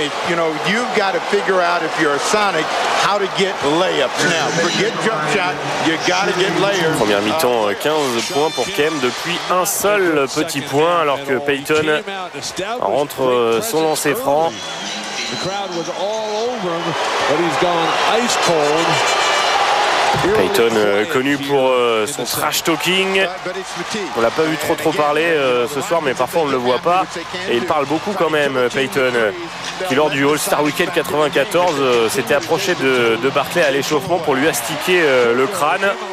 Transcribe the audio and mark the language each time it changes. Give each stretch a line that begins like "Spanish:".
English: You know, you've got to figure out if you're a Sonic how to get layups now. Forget jump shot, you got to get layers.
French: Première mi-temps, 15 points pour Kem depuis un seul petit point, alors que Payton rentre son lancer franc.
English: The crowd was all over, but he's gone ice cold.
French: Payton connu pour son trash talking. On l'a pas vu trop parler ce soir, mais parfois on ne le voit pas. Et il parle beaucoup quand même, Payton, qui lors du All-Star Weekend 94 s'était approché de Barkley à l'échauffement pour lui astiquer le crâne.